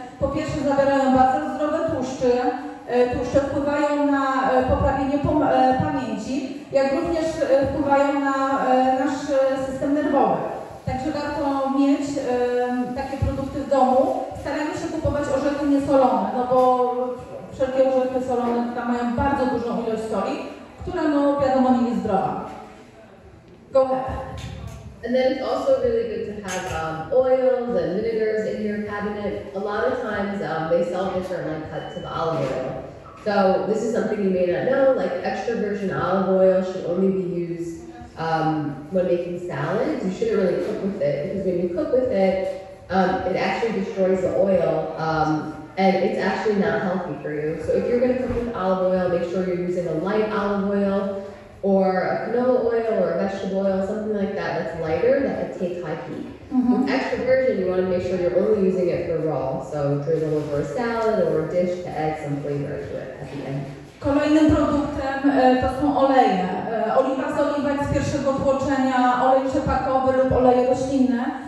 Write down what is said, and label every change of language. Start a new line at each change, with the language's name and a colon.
Polish: Po pierwsze zawierają bardzo zdrowe tłuszcze, tłuszcze wpływają na poprawienie pamięci, jak również wpływają na nasz system nerwowy. Także warto mieć takie produkty w domu. Starajmy się kupować orzechy niesolone, no bo wszelkie orzechy solone tam mają bardzo dużą ilość soli, która no wiadomo nie jest zdrowa.
English: Go ahead. And then it's also really good to have oils and vinegars in your cabinet. A lot of times they sell different like cuts of olive oil. So this is something you may not know, like extra virgin olive oil should only be used when making salads. You shouldn't really cook with it, because when you cook with it, it actually destroys the oil and it's actually not healthy for you. So if you're going to cook with olive oil, make sure you're using a light olive oil, or a canola oil or a vegetable oil, something like that that's lighter, that it takes high heat. Mm-hmm. With extra virgin, you want to make sure you're only using it for raw. So drizzle over a salad or a dish to add some flavor to it at the end.
Polish: Kolejnym produktem to są oleje. Oliwa z oliwek z pierwszego tłoczenia, olej rzepakowy lub oleje roślinne.